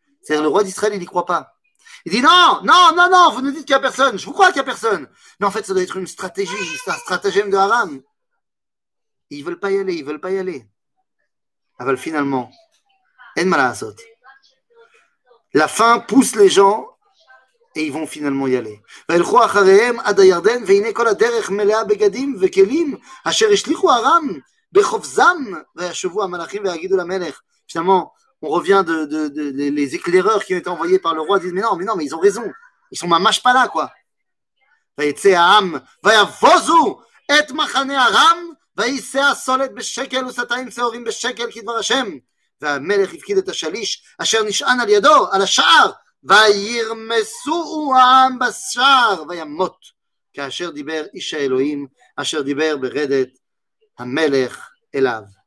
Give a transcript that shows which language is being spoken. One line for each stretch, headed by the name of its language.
French: C'est-à-dire, le roi d'Israël, il n'y croit pas. Il dit, non, vous nous dites qu'il n'y a personne. Je vous crois qu'il n'y a personne. Mais en fait, ça doit être une stratégie, juste un stratagème de Haram. Et ils ne veulent pas y aller, ils ne veulent pas y aller. Ah, ben, finalement, la faim pousse les gens et ils vont finalement y aller.
Hebrew: וילכו אחריהם עד הירדן והנה כל הדרך מלאה בגדים וכלים אשר השליחו ארם בחופזם וישובו המלאכים ויגידו למלך.
French: Finalement, on revient de les éclaireurs qui ont été envoyés par le roi disent mais non, ils ont raison. Ils sont ממש pas là quoi.
Hebrew: ויצא העם ויבוזו את מחנה ארם ויישא הסולת בשקל וסטאים שעורים בשקל כדבר השם. והמלך הפקיד את השליש אשר נשען על ידו, על השער. וירמסו העם בשער וימות כאשר דיבר איש האלוהים אשר דיבר ברדת המלך אליו.